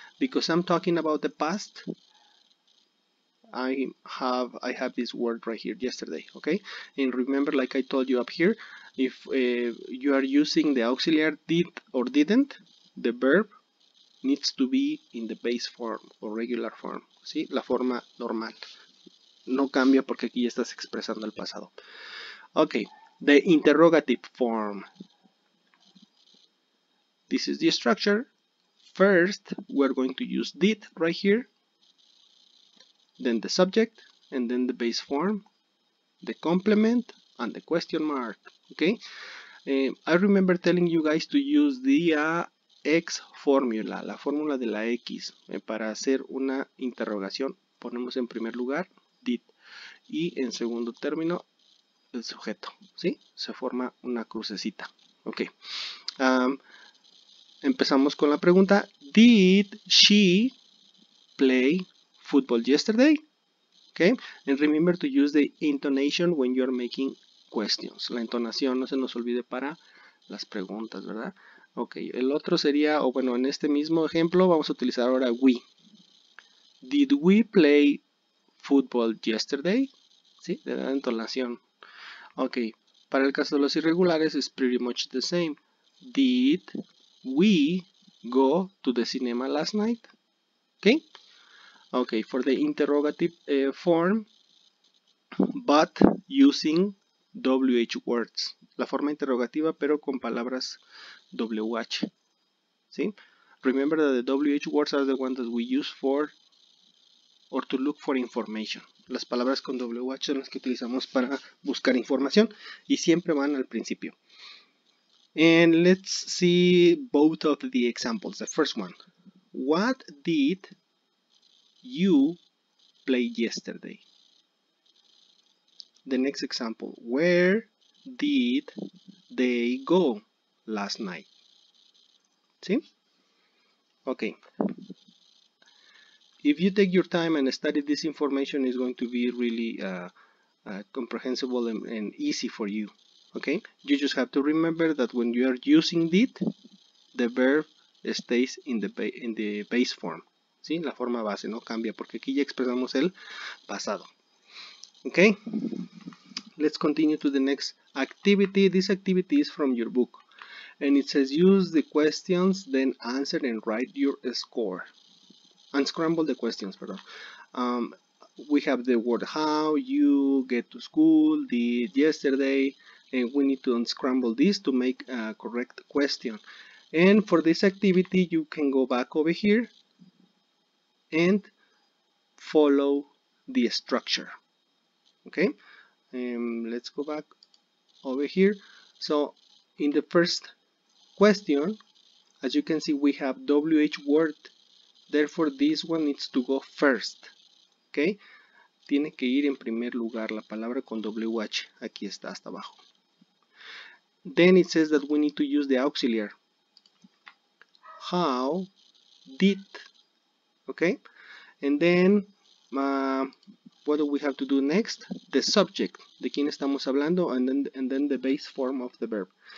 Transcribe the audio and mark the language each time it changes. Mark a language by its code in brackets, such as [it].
[en] Because I'm talking about the past, I have this word right here, yesterday. Okay? And remember, like I told you up here, if you are using the auxiliary did or didn't, the verb needs to be in the base form or regular form. [es] ¿Sí? La forma normal. No cambia porque aquí ya estás expresando el pasado. [en] Okay. The interrogative form. This is the structure. First, we're going to use did right here. Then the subject. And then the base form. The complement. And the question mark. Okay. I remember telling you guys to use the X formula, [es] la fórmula de la X, para hacer una interrogación, ponemos en primer lugar did y en segundo término el sujeto, ¿sí? Se forma una crucecita. Ok, empezamos con la pregunta: [en] Did she play football yesterday? Ok, and remember to use the intonation when you're making questions. [es] La entonación no se nos olvide para las preguntas, ¿verdad? Ok, el otro sería, o bueno, en este mismo ejemplo vamos a utilizar ahora we. [en] Did we play football yesterday? [es] ¿Sí? De la entonación. Ok, para el caso de los irregulares es [en] pretty much the same. Did we go to the cinema last night? Ok. Ok, for the interrogative form, but using WH words. [es] La forma interrogativa, pero con palabras WH. ¿Sí? [en] Remember that the WH words are the ones that we use for or to look for information. [es] Las palabras con WH son las que utilizamos para buscar información y siempre van al principio. [en] And let's see both of the examples. The first one. What did you play yesterday? The next example. Where did they go last night? [es] ¿Sí? [en] Ok. If you take your time and study this information, it's going to be really comprehensible and easy for you. Ok. You just have to remember that when you are using did, the verb stays in the base form. [es] ¿Sí? La forma base no cambia porque aquí ya expresamos el pasado. [en] Ok. Let's continue to the next activity. This activity is from your book. And it says, use the questions, then answer and write your score. Unscramble the questions, pardon. We have the word how, you, get to school, did yesterday. And we need to unscramble this to make a correct question. And for this activity, you can go back over here and follow the structure. Okay? Let's go back over here. So, in the first question, as you can see, we have WH word. Therefore, this one needs to go first. Okay? [es] Tiene que ir en primer lugar la palabra con WH. Aquí está, hasta abajo. [en] Then it says that we need to use the auxiliary. How did Okay, and then what do we have to do next? The subject, [es] de quién estamos hablando, [en] and then the base form of the verb.